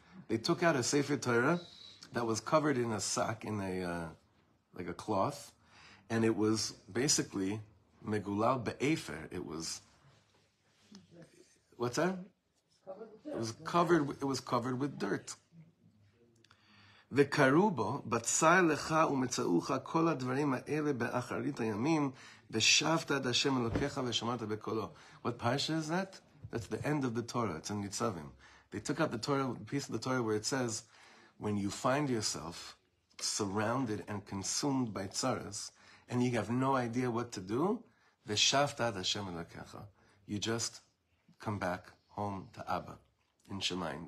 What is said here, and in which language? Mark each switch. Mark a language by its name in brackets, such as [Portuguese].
[English] They took out a Sefer Torah that was covered in a sack, in a like a cloth, and it was basically [Hebrew] Megulal Be'efer. [English] It was, what's that? It was covered with dirt. [Hebrew] וקרובו בצר לך ומצאוך כל הדברים האלה באחרית הימים ושבת עד השם אלוקיך ושמרת בקולו. [English] What parasha is that? That's the end of the Torah. It's in Nitzavim. They took out the Torah, piece of the Torah where it says, when you find yourself surrounded and consumed by tzaras, and you have no idea what to do, [Hebrew] v'shavta ad Hashem elokecha, [English] you just come back home to Abba in Shemayim.